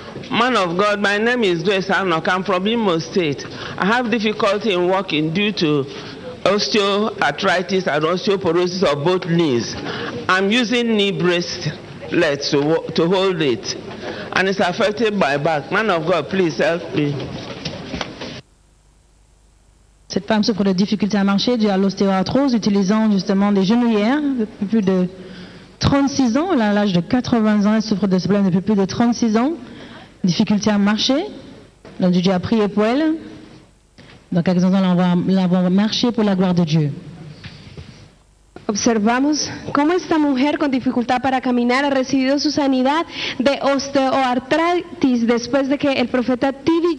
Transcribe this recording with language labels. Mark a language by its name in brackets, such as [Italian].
[English] Man of God, my name is Grace Anok. I'm from Imo State. I have difficulty in walking due to osteoarthritis and osteoporosis of both knees. I'm using knee bracelets to hold it, and it's affecting my back. Man of God, please help me. [French] Cette femme souffre de difficultés à marcher due à l'ostéoarthrose, utilisant justement des genouillères. Depuis plus de 36 ans, à l'âge de 80 ans, elle souffre de ce problème depuis plus de 36 ans. Difficulté à marcher. Donc Dieu a prié pour elle. Donc à présent, l'avons marché pour la gloire de Dieu. [Spanish] Observamos cómo esta mujer con dificultad para caminar ha recibido su sanidad de osteoartritis después de que el profeta T.D.